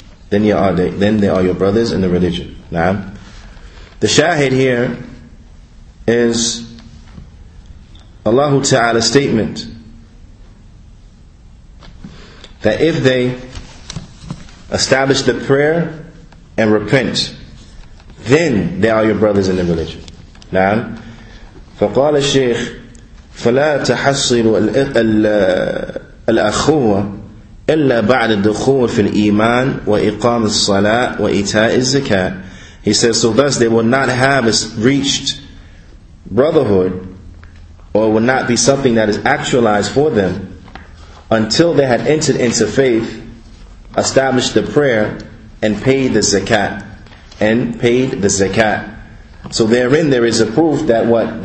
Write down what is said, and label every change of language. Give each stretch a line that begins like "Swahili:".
English: Then they are your brothers in the religion. Now, the shahid here, is Allah Ta'ala's statement that if they establish the prayer and repent, then they are your brothers in the religion.
Arabic: Now, فقال الشيخ فلا تحصل الأخوة إلا بعد الدخول في الإيمان وإقام الصلاة وإيتاء الزكاة.
English: He says, so thus they will not have reached brotherhood, or will not be something that is actualized for them until they had entered into faith, established the prayer, and paid the zakat. So therein there is a proof that what?